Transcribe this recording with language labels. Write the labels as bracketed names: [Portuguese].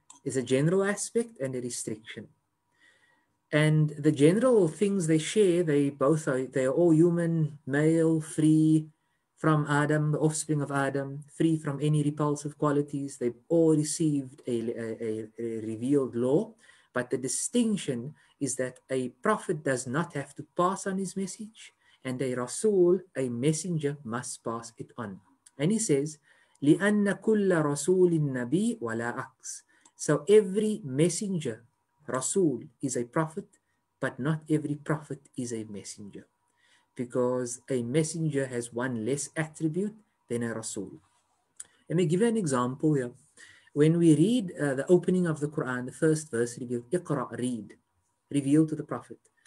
[English] Is a general aspect and a restriction. And the general things they share, they are all human, male, free from Adam, the offspring of Adam, free from any repulsive qualities. They've all received a revealed law. But the distinction is that a prophet does not have to pass on his message, and a rasul, a messenger, must pass it on. And he says, [Arabic] لِأَنَّ كُلَّ رَسُولٍ نَبِي وَلَا أَكْسِ. [English] So every messenger, Rasul, is a prophet, but not every prophet is a messenger, because a messenger has one less attribute than a Rasul. Let me give you an example here. When we read the opening of the Quran, the first verse revealed, Iqra, read, revealed to the Prophet.